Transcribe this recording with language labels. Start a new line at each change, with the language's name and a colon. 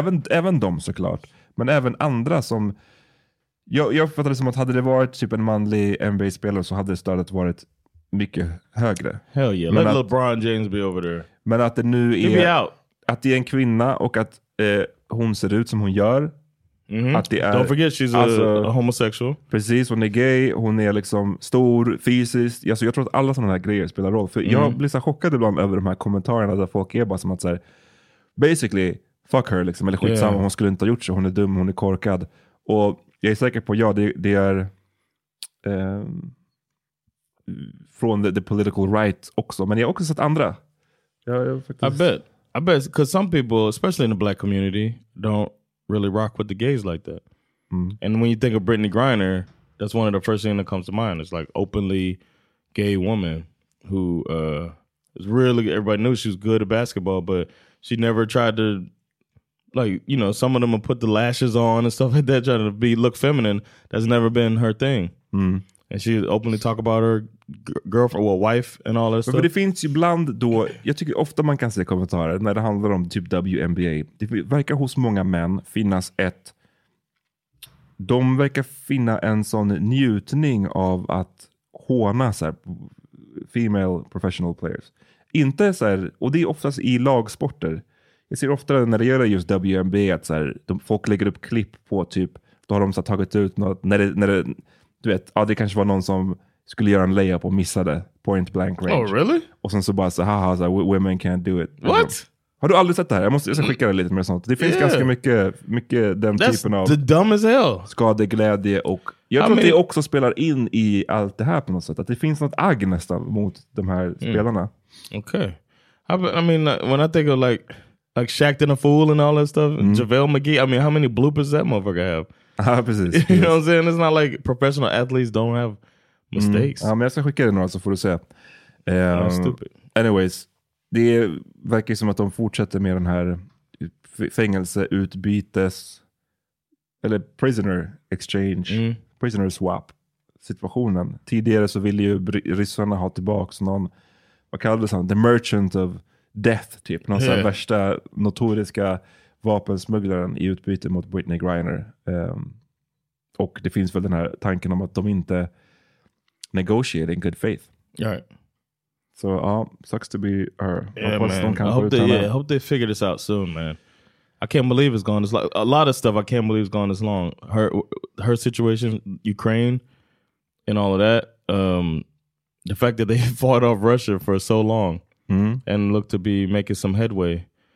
Swedish: Även de såklart, men även andra som, jag uppfattade som att hade det varit typ en manlig NBA-spelare så hade stödet varit mycket högre.
English: Hell yeah, men let LeBron James be over there.
Swedish: Men att det nu
English: He'll
Swedish: är
English: be out.
Swedish: Att det är en kvinna och att hon ser ut som hon gör. Mm-hmm. Att det är,
English: don't forget she's alltså, a homosexual.
Swedish: Precis, hon är gay, hon är liksom stor, fysiskt. Alltså, jag tror att alla sådana här grejer spelar roll. För jag blir så chockad ibland över de här kommentarerna där folk är bara som att så här, basically, fuck her liksom. Eller skitsamma, hon skulle inte ha gjort så. Hon är dum, hon är korkad. Och jag är säker på, ja, det är från the political right också. Men jag har också sett andra. Jag faktiskt.
English: I bet, because some people, especially in the black community, don't really rock with the gays like that. Mm. And when you think of Brittany Griner, that's one of the first things that comes to mind. It's like openly gay woman who is really, everybody knew she was good at basketball, but she never tried to, like, you know, some of them would put the lashes on and stuff like that, trying to be look feminine. That's never been her thing. Mm. And she openly talk about her girlfriend, well, wife and all that stuff.
Swedish: Men det finns ibland då, jag tycker ofta man kan se kommentarer när det handlar om typ WNBA. Det verkar hos många män finnas ett, de verkar finna en sån njutning av att håna så här, female professional players. Inte så här, och det är oftast i lagsporter. Jag ser ofta när det gäller just WNBA att så här, de, folk lägger upp klipp på typ, då har de så här, tagit ut något, när det du vet, ja, det kanske var någon som skulle göra en layup och missade point blank range.
English: Oh, really?
Swedish: Och sen så bara så, haha, så här, women can't do it.
English: What?
Swedish: Har du aldrig sett det här? Jag ska skicka det lite mer sånt. Det finns ganska mycket den
English: That's
Swedish: typen av
English: the dumb as hell.
Swedish: Skadeglädje. Och jag tror att det också spelar in i allt det här på något sätt. Att det finns något agg nästan mot de här spelarna. Okej. Okay.
English: I mean, when I think of like Shaq and a Fool and all that stuff, JaVale McGee, I mean, how many bloopers that motherfucker have?
Swedish: Precis.
English: You know what I'm saying? It's not like professional athletes don't have mistakes.
Swedish: Ja, men jag ska skicka det några så får du se.
English: Stupid.
Swedish: Anyways, det verkar som att de fortsätter med den här fängelseutbytes eller prisoner exchange, prisoner swap situationen. Tidigare så ville ju ryssarna ha tillbaka någon, vad kallades han? The merchant of death typ. Någon sån värsta notoriska vapensmugglaren i utbyte mot Brittany Griner. Och det finns väl den här tanken om att de inte negotiate in good faith.
English: Right. So, sucks to be her. I hope they figure this out soon, man. I can't believe it's gone this long. A lot of stuff I can't believe it's gone this long. Her situation, Ukraine, and all of that. The fact that they fought off Russia for so long and look to be making some headway.